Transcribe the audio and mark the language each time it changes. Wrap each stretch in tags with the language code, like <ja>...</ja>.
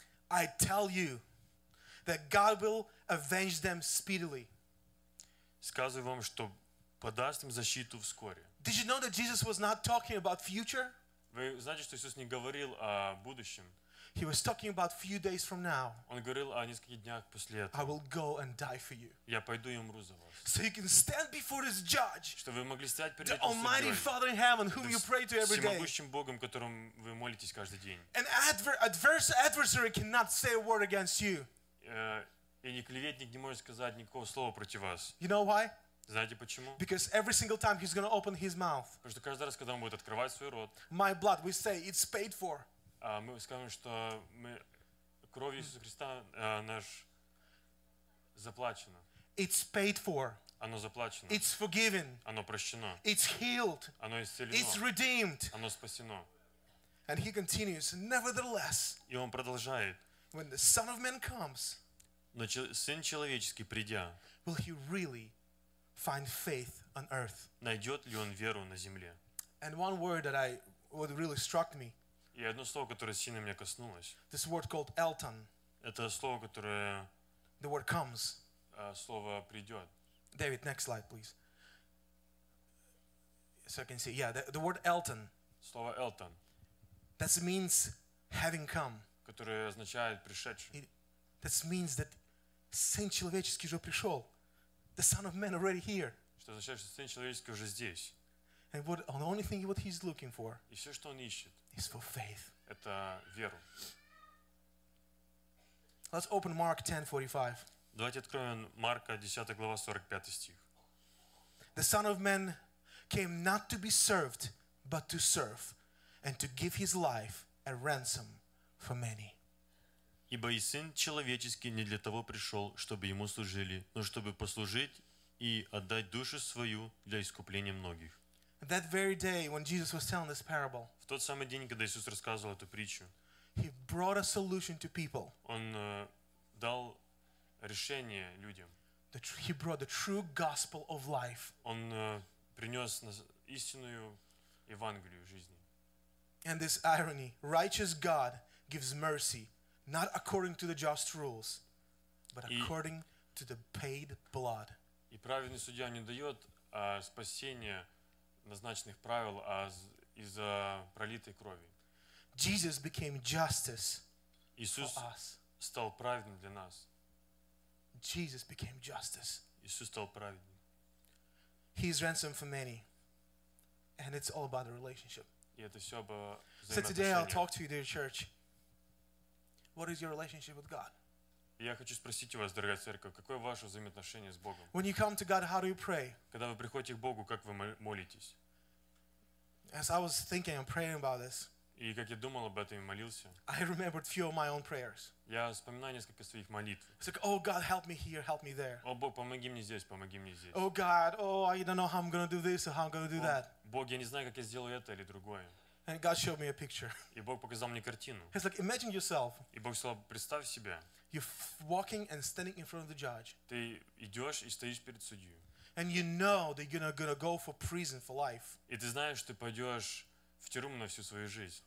<en>I tell you that God will avenge them speedily.</en> <ru>Сказываю вам, что подаст им защиту вскоре.</ru> <en>Did you know that Jesus was not talking about future?</en> <ru>Вы знаете, что Иисус не говорил о будущем?</ru> <en>He was talking about few days from now.</en> <ru>Он говорил о нескольких днях после этого.</ru> <en>I will go and die for you.</en> <ru>Я пойду и умру за вас.</ru> <en>So you can stand before this judge.</en> <ru>Чтобы вы могли стоять перед этим судьей.</ru> <en>The Almighty Father in heaven, whom you pray to every day.</en> <ru>Всемогущим Богом, которым вы молитесь каждый день.</ru> <en>An adversary cannot say a word against you.</en> <ru>И ни клеветник не может сказать никакого слова против вас.</ru> <en>You know why?</en> <ru>Знаете почему?</ru> <en>Because every single time he's going to open his mouth.</en> <ru>Потому что каждый раз, когда он будет открывать свой рот.</ru> <en>My blood, we say, it's paid for.</en> <ru>Мы скажем, что мы кровью Иисуса Христа наш заплачено.</ru> <en>It's paid for.</en> <ru>Оно заплачено.</ru> <en>It's forgiven.</en> <ru>Оно прощено.</ru> <en>It's healed.</en> <ru>Оно исцелено.</ru> <en>It's redeemed.</en> <ru>Оно спасено.</ru> <en>And he continues, nevertheless.</en> <ru>И он продолжает.</ru> <en>When the Son of Man comes.</en> <ru>Но Сын Человеческий придя.</ru> <en>Will he really find faith on earth?</en> <ru>Найдет ли он веру на земле?</ru> <en>And one word that I would really struck me.</en> <ru>И одно слово, которое сильно меня коснулось.</ru> <en>This word called Elton.</en> <ru>Это слово, которое.</ru> <en>The word comes.</en> <ru>Слово придет.</ru> <en>David, next slide, please. So I can see. Yeah, the word Elton.</en> <ru>Слово Elton.</ru> <en>That means having come.</en> <ru>Которое означает пришедший.</ru> <en>That means that</en> <ru>Сын Человеческий уже пришел.</ru> <en>The Son of Man already here.</en> <ru>Что означает, что Сын Человеческий уже здесь.</ru> <en>And what the only thing what he's looking for?</en> <ru>И все, что он ищет,</ru> <en>is for faith.</en> <ru>Это веру.</ru> <en>Let's open Mark 10:45.</en> <ru>Давайте откроем Марка 10 глава 45 стих.</ru> <en>The Son of Man came not to be served, but to serve, and to give his life a ransom for many.</en> <ru>Ибо и Сын человеческий не для того пришел, чтобы ему служили, но чтобы послужить и отдать душу свою для искупления многих.</ru> <en>That very day when Jesus was telling this parable,</en> <ru>в тот самый день, когда Иисус рассказывал эту притчу,</ru> <en>he brought a solution to people.</en> <ru>Он дал решение людям.</ru> <en>He brought the true gospel of life.</en> <ru>Он принес истинную Евангелию жизни.</ru> <en>And this irony, righteous God gives mercy not according to the just rules, but according to the paid blood.</en> <ru>И праведный судья не дает спасения назначенных правил, а из-за пролитой крови.</ru> <en>Jesus became justice</en> <ru>Иисус</ru> <en>for us.</en> <ru>Стал праведным для нас.</ru> <en>Jesus became justice.</en> <ru>Иисус стал праведным.</ru> <en>He is ransom for many, and it's all about the relationship.</en> <ru>И это все об взаимоотношениях.</ru> <en>So today I'll talk to you, dear church. What is your relationship with God?</en> <ru>Я хочу спросить у вас, дорогая церковь, какое ваше взаимоотношение с Богом?</ru> <en>When you come to God, how do you pray?</en> <ru>Когда вы приходите к Богу, как вы молитесь?</ru> <en>As I was thinking and praying about this,</en> <ru>и как я думал об этом и молился,</ru> <en>I remembered few of my own prayers.</en> <ru>Я вспоминал несколько своих молитв.</ru> <en>It's like, oh God, help me here, help me there.</en> <ru>О Бог, помоги мне здесь, помоги мне здесь.</ru> <en>Oh God, oh I don't know how I'm gonna do this or how I'm gonna do that.</en> <ru>Бог, я не знаю, как я сделаю это или другое.</ru> <en>And God showed me a picture.</en> <ru>И Бог показал мне картину.</ru> <en>He's like, imagine yourself.</en> <ru>И Бог сказал, представь себя.</ru> <en>You're walking and standing in front of the judge.</en> <ru>Ты идешь и стоишь перед судьей.</ru> <en>And you know that you're gonna go for prison for life.</en> <ru>И ты знаешь, что пойдешь в тюрьму на всю свою жизнь.</ru>